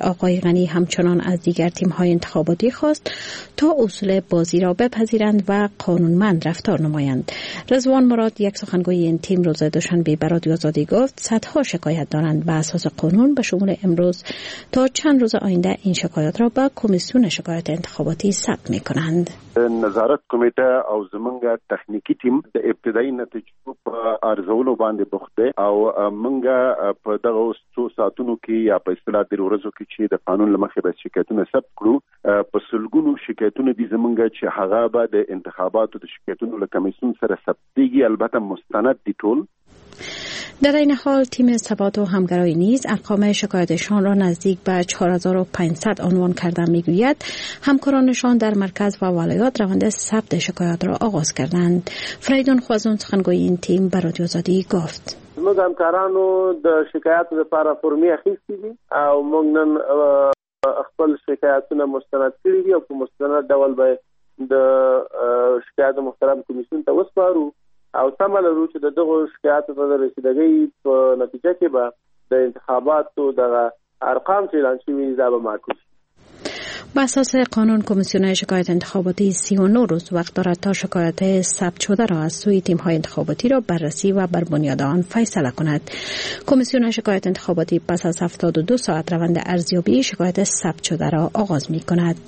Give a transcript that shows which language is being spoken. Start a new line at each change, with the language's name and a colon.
Persian: آقای غنی همچنان از دیگر تیم های انتخاباتی خواست تا اصول بازی را بپذیرند و قانونمند رفتار نمایند. رضوان مراد یک سخنگوی این تیم روز دوشنبه به رادیو آزادی گفت صدها شکایت دارند و اساس قانون به شمول امروز تا چند روز آینده این شکایت را به کمیسیون شکایت انتخاباتی ثبت می کنند.
Pashto: نظارت کمیته او زمنګ تخنیکی تیم د ابتدایي نتیجو په ارزولو باندې بوخته او منګ په دغه څو ساتونو کې یا په اصطلاح د ورځو کې چې د قانون لمخې به شکایتونه ثبت کړو په سلګونو شکایتونه دي زمنګ چې هغه به د انتخاباتو د شکایتونو له کمیسیون سره ثبتېږي، البته مستند دي ټول.
Persian: در این حال تیم ثبات و همگرایی نیز ارقام شکایتشان را نزدیک به 4500 عنوان کرده میگوید همکارانشان در مرکز و ولایات روند ثبت شکایت را آغاز کردند. فریدون خوازون سخنگوی این تیم به رادیو آزادی گفت
Pashto: موږ همکارانو د شکایت لپاره فرمی اخیستی دي او موږ نن خپل شکایتونه مستند کړی دي او په مستند ډول به د شکایت محترم کمیسیون ته وسپارو او تمه لرو چې د دغو شکایتو په رسیدګۍ په نتیجه کې به د انتخاباتو دغه ارقام چې اعلان شوي دا به معکوس شي.
Persian: به اساس قانون کمیسیون شکایت انتخاباتی 39 روز وقت دارد تا شکایت ثبت شده را از سوی تیم‌های انتخاباتی را بررسی و بر بنیاد آن فیصله کند. کمیسیون شکایت انتخاباتی پس از 72 ساعت روند ارزیابی شکایت ثبت شده را آغاز می‌کند.